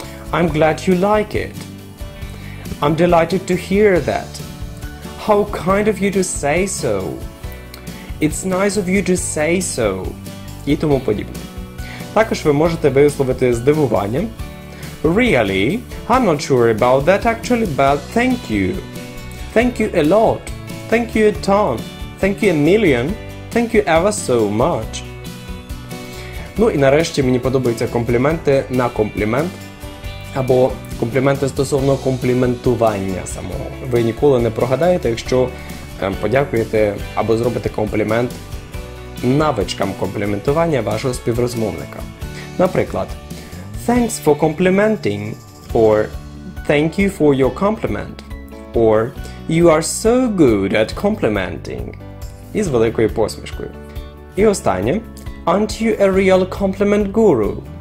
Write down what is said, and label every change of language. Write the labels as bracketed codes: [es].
[en] I'm glad you like it. I'm delighted to hear that. How kind of you to say so. It's nice of you to say so. [uk] І тому подібне. Також ви можете висловити здивування. [en] Really? I'm not sure about that actually, but thank you. Thank you a lot. Thank you a ton. Thank you a million. Thank you ever so much. [uk] Ну і нарешті мені подобаються компліменти на комплімент. Або компліменти стосовно компліментування самого. Ви ніколи не прогадаєте, якщо подякуєте або зробите комплімент навичкам компліментування вашого співрозмовника. Наприклад, [en] Thanks for complimenting, or thank you for your compliment, or you are so good at complimenting. [uk] Із великою посмішкою. І останнє, [en] aren't you a real compliment guru?